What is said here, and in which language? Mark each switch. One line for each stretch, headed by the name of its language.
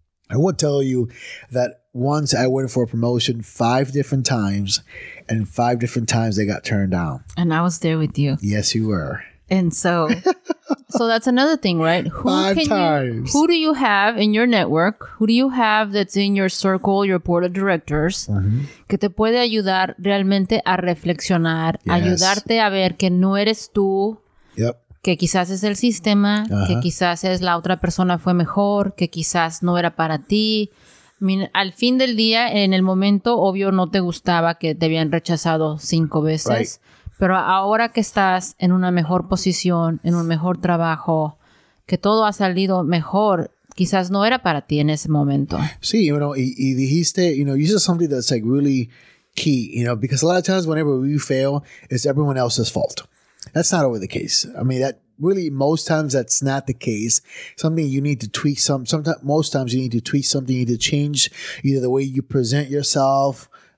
English: I will tell you that once I went for a promotion 5 different times, and 5 different times they got turned down. And I was there with you. Yes, you were. And so, so that's another thing, right? Who do you have in your network? Who do you have that's in your circle, your board of directors, mm-hmm.
Spanish: que te puede ayudar realmente a reflexionar,
English: yes.
Spanish: ayudarte a ver que no eres tú,
English: yep.
Spanish: que quizás es el sistema, uh-huh. que quizás es la otra persona fue mejor, que quizás no era para ti. Al fin del día, en el momento, obvio, no te gustaba que te habían rechazado 5 veces.
English: Right.
Spanish: Pero ahora que estás en una mejor posición, en un mejor trabajo, que todo ha salido mejor, quizás no era para ti en ese momento.
English: Sí, you know,
Spanish: y dijiste,
English: you know, you said something that's like really key, you know, because a lot of times whenever we fail, it's everyone else's fault. That's not always the case. I mean, that really, most times that's not the case. Something you need to tweak sometimes you need to tweak something, you need to change either the way you present yourself,